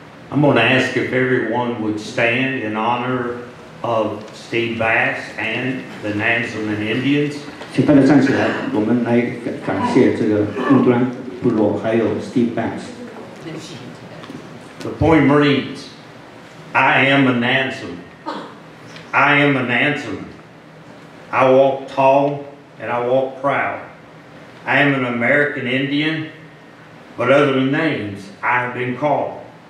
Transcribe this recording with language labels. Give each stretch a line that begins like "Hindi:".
English: I'm going to ask if everyone would stand in honor of Steve Bass and the Nansemond Indians.
Chinese: 请大家站起来，我们来感谢这个印第安部落还有 Steve Bass.
English: The poem reads, I am a Nansemond. I am a Nansemond. I walk tall and I walk proud. I am an American Indian, but other names I have been called.